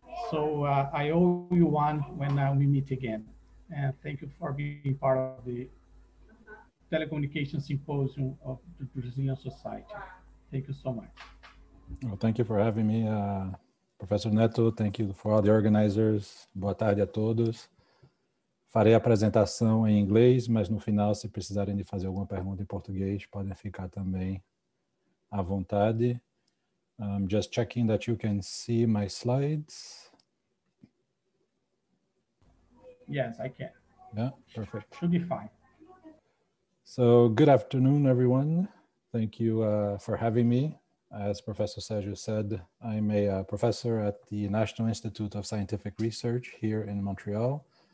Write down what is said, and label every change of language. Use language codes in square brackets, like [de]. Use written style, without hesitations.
[en] So I owe you one when we meet again. And thank you for being part of the telecommunications symposium of the Brazilian Society. Thank you so much. Well, thank you for having me, Professor Neto. Thank you for all the organizers. [pt] Boa tarde a todos. Farei a apresentação em inglês, mas no final, se precisarem de fazer alguma pergunta em português, podem ficar também à vontade. [en] I'm just checking that you can see my slides. Yes, I can. Yeah, perfect. Should be fine. So, good afternoon, everyone. Thank you for having me. As Professor Sergio said, I'm a professor at the National Institute of Scientific Research here in Montreal.